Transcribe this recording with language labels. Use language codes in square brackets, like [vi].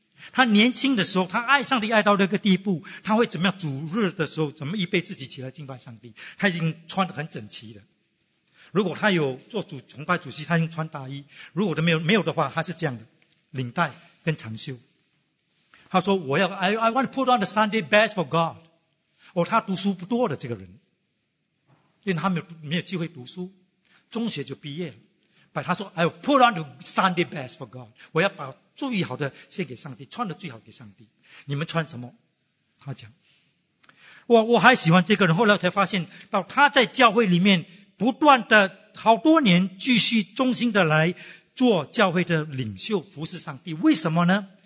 [zh] 他年轻的时候，他爱上帝爱到那个地步，他会怎么样主日的时候，怎么预备自己起来敬拜上帝，他已经穿得很整齐了。如果他有做主崇拜主席，他应穿大衣，如果没有的话，他是这样的，领带跟长袖。他说我要 [en] I want to put on the Sunday best for God。 [zh] 哦，他读书不多的这个人，因为他没有机会读书，中学就毕业了。他说 [en] I will put on the Sunday best for God， [zh] 我要把最好的献给上帝，穿的最好给上帝。你们穿什么？他讲我还喜欢这个人。后来才发现到他在教会里面不断的好多年继续忠心的来做教会的领袖，服侍上帝。为什么呢？